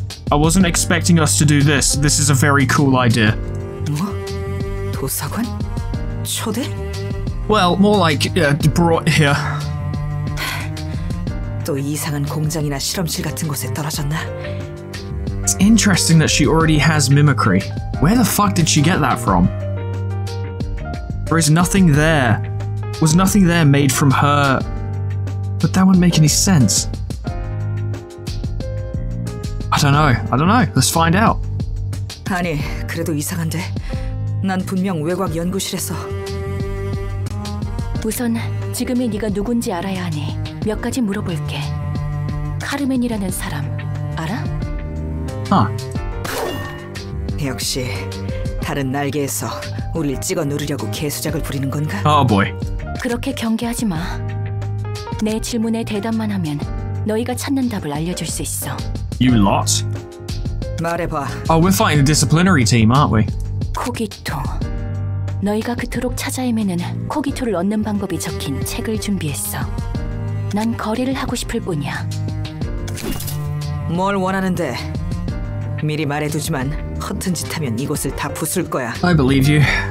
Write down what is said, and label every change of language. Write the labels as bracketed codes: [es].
[en] I wasn't expecting us to do this. This is a very cool idea. [ko] 뭐? 도서관? 초대? [en] Well, more like brought here. [ko] 또 이상한 공장이나 실험실 같은 곳에 떨어졌나? [en] It's interesting that she already has mimicry. Where the fuck did she get that from? There is nothing there. Was nothing there made from her? But that wouldn't make any sense. I don't know. Let's find out. [ko] 아니, 그래도 이상한데. 난 분명 외곽 연구실에서. 우선 지금의 네가 누군지 알아야 하니 몇 가지 물어볼게. 카르멘이라는 사람 알아? 아. 역시 다른 날개에서 우릴 찍어 누르려고 개수작을 부리는 건가? 아, 뭐해. 그렇게 경계하지 마. 내 질문에 대답만 하면 너희가 찾는 답을 알려줄 수 있어. [en] You lot. [ko] 말해봐. [en] Oh, we're fighting the disciplinary team, aren't we? [ko] 코기토. 너희가 그토록 찾아 헤매는 코기토를 얻는 방법이 적힌 책을 준비했어. 난 거래를 하고 싶을 뿐이야. 뭘 원하는데? 미리 말해두지만 허튼 짓하면 이곳을 다 부술 거야. [en] I believe you.